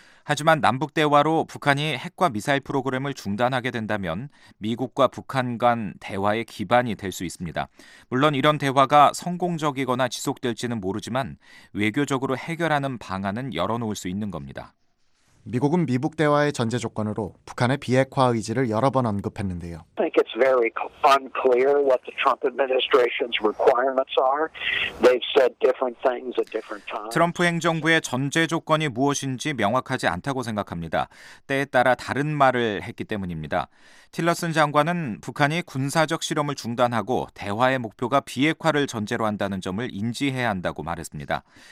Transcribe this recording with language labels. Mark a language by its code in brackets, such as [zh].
[ko] 하지만 남북 대화로 북한이 핵과 미사일 프로그램을 중단하게 된다면 미국과 북한 간 대화의 기반이 될 수 있습니다. 물론 이런 대화가 성공적이거나 지속될지는 모르지만 외교적으로 해결하는 방안은 열어놓을 수 있는 겁니다. 미국은 미북 대화의 전제 조건으로 북한의 비핵화 의지를 여러 번 언급했는데요. [en] I think it's very unclear what the Trump administration's requirements are. They've said different things at different times. [ko] 트럼프 행정부의 전제 조건이 무엇인지 명확하지 않다고 생각합니다. 때에 따라 다른 말을 했기 때문입니다. 틸러슨 장관은 북한이 군사적 실험을 중단하고 대화의 목표가 비핵화를 전제로 한다는 점을 인지해야 한다고 말했습니다.